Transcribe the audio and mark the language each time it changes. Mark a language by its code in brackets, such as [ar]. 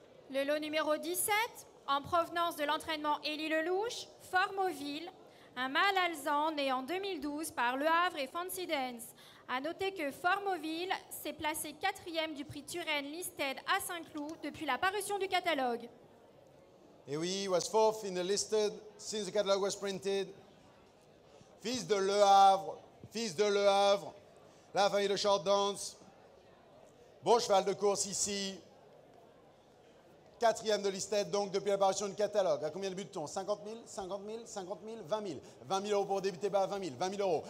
[fr] Le lot numéro 17, en provenance de l'entraînement Élie Lelouch, Formoville. Un mâle alezan né en 2012 par Le Havre et Fancy Dance. A noter que Formoville s'est placé quatrième du prix Turenne Listed à Saint-Cloud depuis la parution du catalogue. Et oui, [en] was fourth in the listed since the catalogue was printed. [fr] Fils de Le Havre, fils de Le Havre, la famille de Short Dance. Bon cheval de course ici. Quatrième de listed, donc, depuis l'apparition du catalogue. À combien de buts on 50 000, 50 000, 50 000, 20 000. 20 000 euros pour débuter bas à 20 000. 20 000 euros.